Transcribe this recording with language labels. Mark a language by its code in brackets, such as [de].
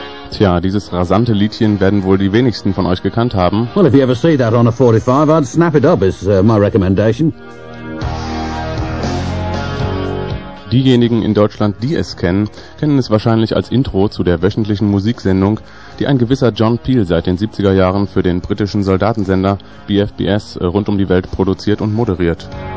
[de] Tja, dieses rasante Liedchen werden wohl die wenigsten von euch gekannt haben. [en] Well, if you ever see that on a 45, I'd snap it up, is my recommendation. [de] Diejenigen in Deutschland, die es kennen, kennen es wahrscheinlich als Intro zu der wöchentlichen Musiksendung, die ein gewisser John Peel seit den 70er Jahren für den britischen Soldatensender BFBS rund um die Welt produziert und moderiert.